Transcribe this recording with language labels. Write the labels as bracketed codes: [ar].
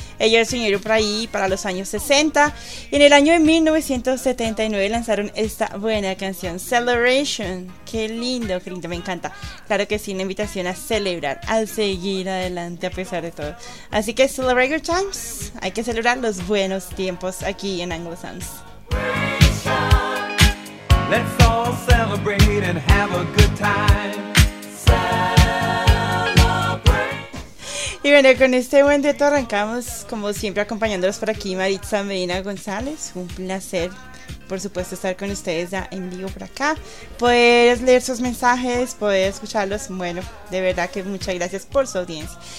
[es] Ellos se unieron por ahí para los años 60 y en el año de 1979 lanzaron esta buena canción, Celebration. Qué lindo, me encanta. Claro que sí, una invitación a celebrar, a seguir adelante a pesar de todo. Así que [en] celebrate your times, [es] hay que celebrar los buenos tiempos aquí en Anglesounds. [en] Let's all celebrate and have a good time. [es] Y bueno, con este buen dueto arrancamos, como siempre, acompañándolos por aquí, Maritza Medina González. Un placer, por supuesto, estar con ustedes ya en vivo por acá. Poder leer sus mensajes, poder escucharlos. Bueno, de verdad que muchas gracias por su audiencia.